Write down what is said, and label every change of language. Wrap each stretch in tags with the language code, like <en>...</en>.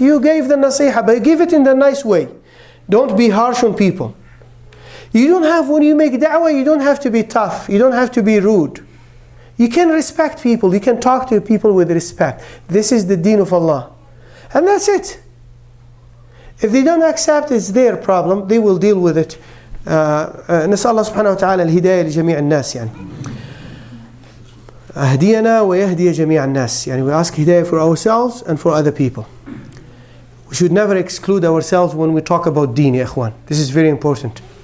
<en>You gave the nasiha, but give it in the nice way. Don't be harsh on people. When you make da'wah, you don't have to be tough. You don't have to be rude. You can respect people. You can talk to people with respect. This is the deen of Allah. And that's it. If they don't accept, it's their problem. They will deal with it.</en> <ar>نسأل الله سبحانه وتعالى الهداية لجميع الناس أهدينا ويهدي جميع الناس.</ar> <en>We ask hidayah for ourselves and for other people. We should never exclude ourselves when we talk about deen, يا إخوان. This is very important.</en>